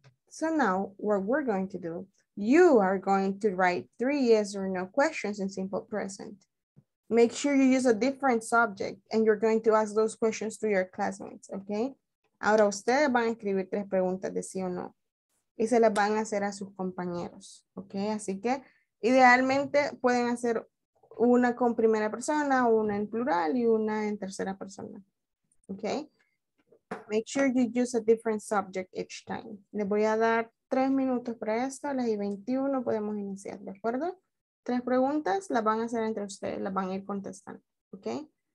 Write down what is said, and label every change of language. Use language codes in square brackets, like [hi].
[en] So now what we're going to do, you are going to write three yes or no questions in simple present. Make sure you use a different subject and you're going to ask those questions to your classmates, okay? [es] Ahora ustedes van a escribir tres preguntas de sí o no y se las van a hacer a sus compañeros, okay? Así que idealmente pueden hacer una con primera persona, una en plural y una en tercera persona, okay? [en] Make sure you use a different subject each time. [es] Les voy a dar 3 minutos para esto, a las 21 podemos iniciar, ¿de acuerdo? 3 preguntas las van a hacer entre ustedes, las van a ir contestando, ¿ok?